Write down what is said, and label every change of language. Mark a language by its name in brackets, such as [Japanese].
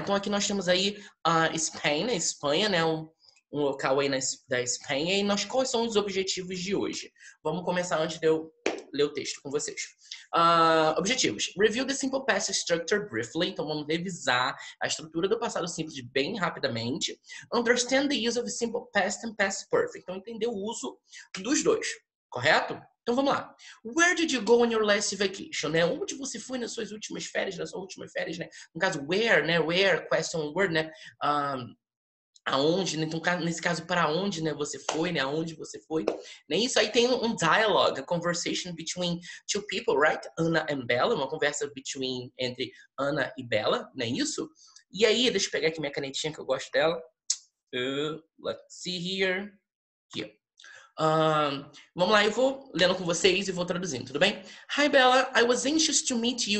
[Portuguese] Então, aqui nós temos aí a Spain, a Espanha, né? Um local aí da Espanha. E nós, quais são os objetivos de hoje? Vamos começar antes de eu ler o texto com vocês. Objetivos. [English] Review the simple past structure briefly. [Portuguese] Então, vamos revisar a estrutura do passado simples bem rapidamente. [English] Understand the use of simple past and past perfect. [Portuguese] Então, entender o uso dos dois. Correto? Então, vamos lá. [English] Where did you go on your last vacation? [Portuguese] Né? Onde você foi nas suas últimas férias? Nas suas últimas férias, né? No caso, where, né? [English] Where, question word, né? [Portuguese] Aonde, né? Então, nesse caso, para onde, né, você foi, né? Aonde você foi? Nem isso aí tem um dialogue, [English] a conversation between two people, right? [Portuguese] Anna and Bella, uma conversa between entre Anna e Bella, nem isso? E aí, deixa eu pegar aqui minha canetinha que eu gosto dela. [English] Let's see here. [Portuguese] Aqui. Vamos lá, eu vou lendo com vocês e vou traduzindo, tudo bem? [English] Hi Bella, I was anxious to meet you.